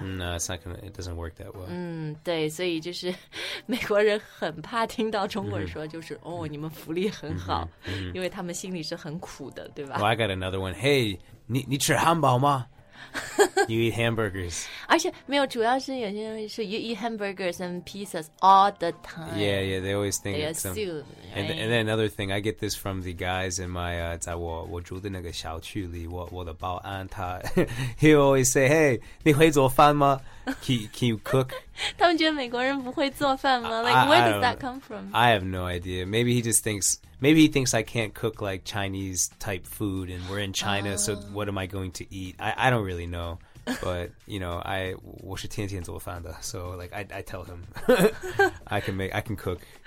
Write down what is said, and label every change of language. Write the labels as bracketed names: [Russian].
[English] No, it's not gonna, it doesn't work that well. [Chinese] 对，所以就是美国人很怕听到中国人说，就是哦，你们福利很好，因为他们心里是很苦的，对吧？ [English] Well, I got another one. Hey, [Chinese] 你吃汉堡吗？ [English] You eat hamburgers. [Chinese] 而且没有，主要是有些人是 [English] you eat hamburgers and pizzas all the time. Yeah, yeah, they always think they assume. And then another thing, I get this from the guys in my [Chinese] 在我住的那个小区里，我的保安他 [English] he always say, Hey, [Chinese] 你会做饭吗？ [English] Can you cook? [Chinese] 他们觉得美国人不会做饭吗？ [English] Like, where does that come from? I have no idea. Maybe he just thinks. Maybe he thinks I can't cook like Chinese type food and we're in China, so what am I going to eat? I don't really know, but you know, [Chinese] 我是天天做饭的 [English] so like I tell him I can cook.